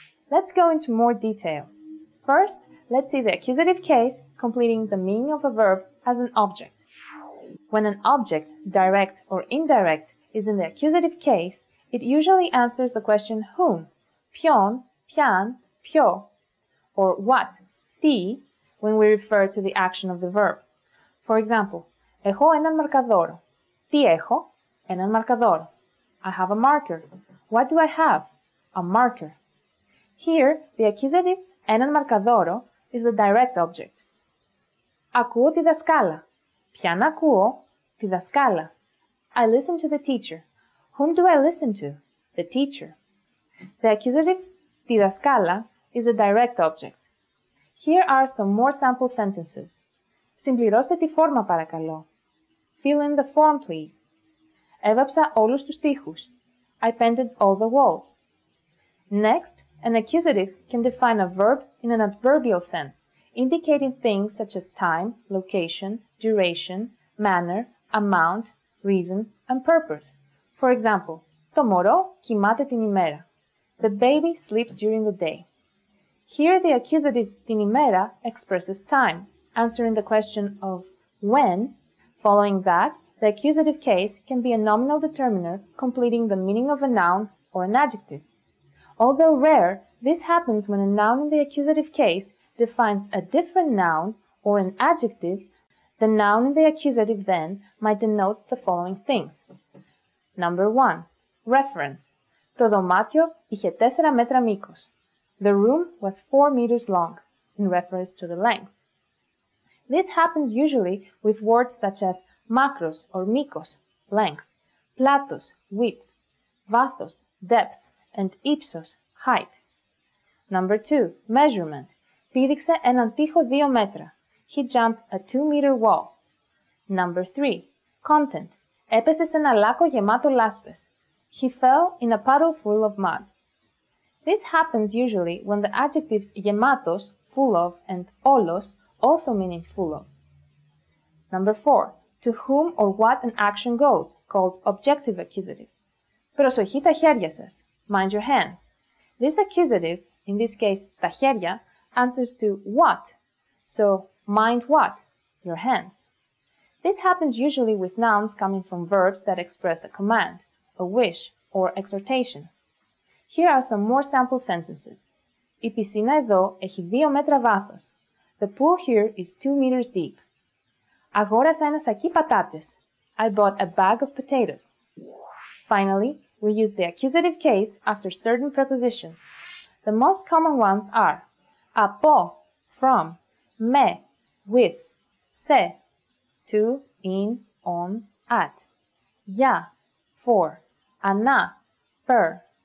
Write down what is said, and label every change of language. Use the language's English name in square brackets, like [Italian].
[English] Let's go into more detail. First, let's see the accusative case completing the meaning of a verb as an object. When an object, direct or indirect, is in the accusative case, it usually answers the question whom, [Greek] pion, pian, pio, [English] or what, ti, when we refer to the action of the verb. For example, [Greek] έχω έναν μαρκαδόρο. Τι έχω? Έναν μαρκαδόρο. [English] I have a marker. What do I have? A marker. Here, the accusative [Greek] έναν μαρκαδόρο [English] is the direct object. [Greek] Ακούω τη δασκάλα. Ποιαν ακούω? Τη δασκάλα. [English] I listen to the teacher. Whom do I listen to? The teacher. The accusative [Greek] τη δασκάλα [English] is the direct object. Here are some more sample sentences. [Greek] Συμπληρώστε τη φόρμα, παρακαλώ. [English] Fill in the form, please. [Greek] Έβαψα όλους τους τοίχους. [English] I painted all the walls. Next, an accusative can define a verb in an adverbial sense, indicating things such as time, location, duration, manner, amount, reason, and purpose. For example, [Greek] το μωρό κοιμάται την ημέρα. [English] The baby sleeps during the day. Here the accusative [Greek] την ημέρα [English] expresses time, answering the question of when. Following that, the accusative case can be a nominal determiner completing the meaning of a noun or an adjective. Although rare, this happens when a noun in the accusative case defines a different noun or an adjective. The noun in the accusative then might denote the following things. Number 1. Reference. [Greek] Το δωμάτιο είχε 4 μέτρα μήκος. [English] The room was 4 meters long, in reference to the length. This happens usually with words such as μάκρος or μήκος, length, πλάτος, width, βάθος, depth, and ύψος, height. Number 2. Measurement. [Greek] Πήδηξε έναν τοίχο 2 μέτρα. [English] He jumped a 2-meter wall. Number 3. Content. [Greek] Έπεσε σε ένα λάκκο γεμάτο λάσπες. [English] He fell in a puddle full of mud. This happens usually when the adjectives γεμάτος, full of, and όλος, also meaning full of. Number 4. To whom or what an action goes, called objective accusative. [Greek] Προσοχή τα χέρια σας. [English] Mind your hands. This accusative, in this case τα χέρια, answers to what. So, mind what? Your hands. This happens usually with nouns coming from verbs that express a command, a wish, or exhortation. Here are some more sample sentences. [Greek] Η πισίνα εδώ έχει 2 μέτρα βάθος. [English] The pool here is 2 meters deep. [Greek] Αγόρασα ένα σακί πατάτες. [English] I bought a bag of potatoes. Finally, we use the accusative case after certain prepositions. The most common ones are από, from, με, with, σε, to, in, on, at, για, for, ανά, per,